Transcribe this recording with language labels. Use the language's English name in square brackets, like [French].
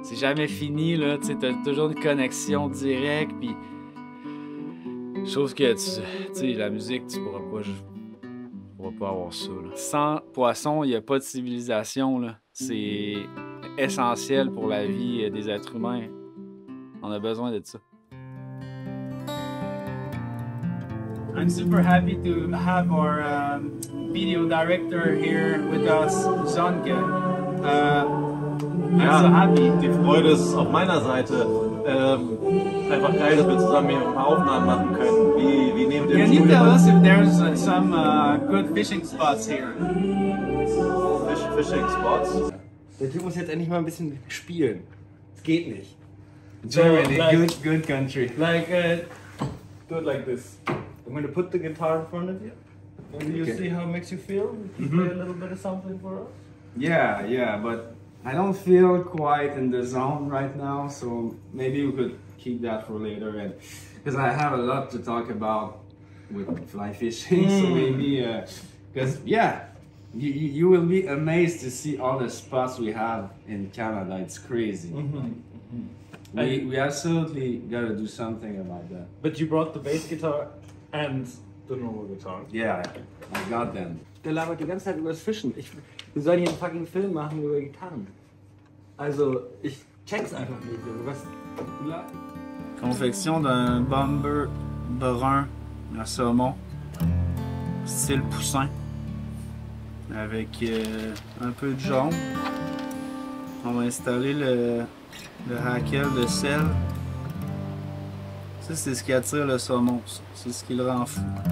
[French] C'est jamais fini, là. Tu sais, t'as toujours une connexion directe, puis... Sauf que, tu sais, la musique, tu pourras pas avoir ça, là. Sans poisson, il y a pas de civilisation, là. C'est essentiel pour la vie des êtres humains. On a besoin de ça. [English] I'm super happy to have our video director here with us, Sonke. I'm so happy. [German] Die Freude ist auf meiner Seite. Einfach geil, dass wir zusammen hier Aufnahmen machen können. Wie nehmt ihr [English] das? Can you tell us if there's some good fishing spots here? Fishing spots? [German] Der Typ muss jetzt endlich mal ein bisschen spielen. Es geht nicht. [English] Germany, so, like, good country. Like, do it like this. I'm going to put the guitar in front of you, and you see how it makes you feel? You play a little bit of something for us? Yeah, but I don't feel quite in the zone right now, so maybe we could keep that for later, and because I have a lot to talk about with fly fishing, so maybe, because, you will be amazed to see all the spots we have in Canada. It's crazy. We absolutely got to do something about that. But you brought the bass guitar? And the normal guitar. Yeah, I got them. [German] Der labert die ganze Zeit über das Fischen. Wir sollen hier einen fucking Film machen über Gitarren. Also, ich check's einfach nicht. Was? [French] Confection d'un bomber brun à saumon, style poussin, avec un peu de jaune. On va installer le hackle de sel. Ça, c'est ce qui attire le saumon, ça. C'est ce qui le rend fou.